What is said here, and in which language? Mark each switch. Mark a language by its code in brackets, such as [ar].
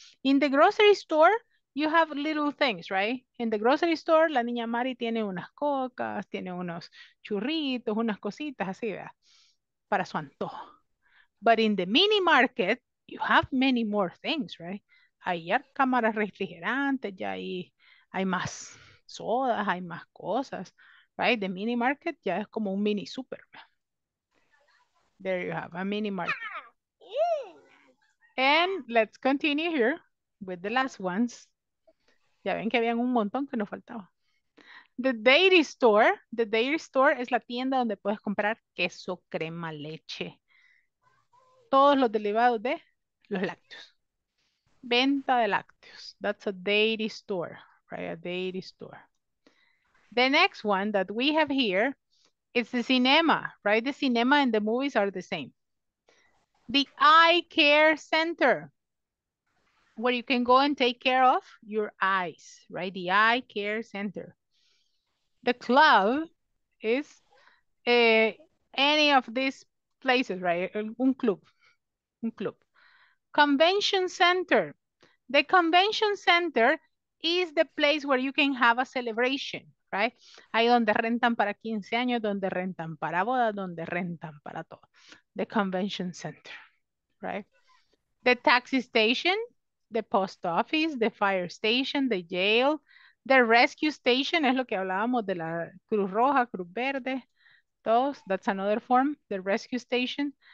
[en] In the grocery store, [es] you have little things, right? In the grocery store, la niña Mari tiene unas cocas, tiene unos churritos, unas cositas, así, ¿verdad? Para su antojo. [en] But in the mini market, you have many more things, right? [es] Hay cámaras refrigerantes, ya hay más sodas, hay más cosas. [en] Right, the mini market [es] ya es como un mini super. [en] There you have a mini market. And let's continue here with the last ones. [es] Ya ven que habían un montón que nos faltaba. [en] The dairy store [es] es la tienda donde puedes comprar queso, crema, leche. Todos los derivados de los lácteos. Venta de lácteos. [en] That's a dairy store, right? A dairy store. The next one that we have here is the cinema, right? The cinema and the movies are the same. The eye care center, where you can go and take care of your eyes, right? The eye care center. The club is any of these places, right? [es] Un club. [en] Convention center. The convention center is the place where you can have a celebration. Right? [es] Ahí donde rentan para 15 años, donde rentan para bodas, donde rentan para todo. [en] The convention center, right? The taxi station, the post office, the fire station, the jail, the rescue station, [es] es lo que hablábamos de la Cruz Roja, Cruz Verde, todos, [en] that's another form, the rescue station.